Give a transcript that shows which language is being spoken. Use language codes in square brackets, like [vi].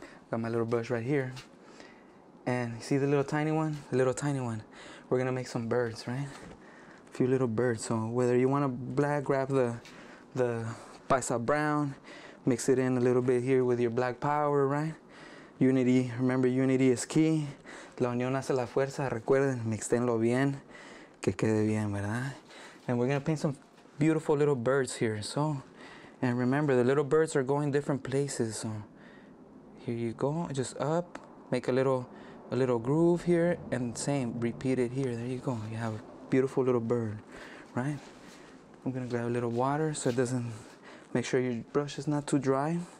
[en] Got my little brush right here. And you see the little tiny one? The little tiny one. We're gonna make some birds, right? A few little birds. So whether you wanna black, grab the paisa brown, mix it in a little bit here with your black power, right? Unity, remember unity is key. [es] La unión hace la fuerza, recuerden, mixtenlo bien, que quede bien, ¿verdad? [en] And we're gonna paint some beautiful little birds here, so. And remember, the little birds are going different places, so. Here you go, just up, make a little groove here, and same, repeat it here, there you go. You have a beautiful little bird, right? I'm gonna grab a little water so it doesn't, make sure your brush is not too dry.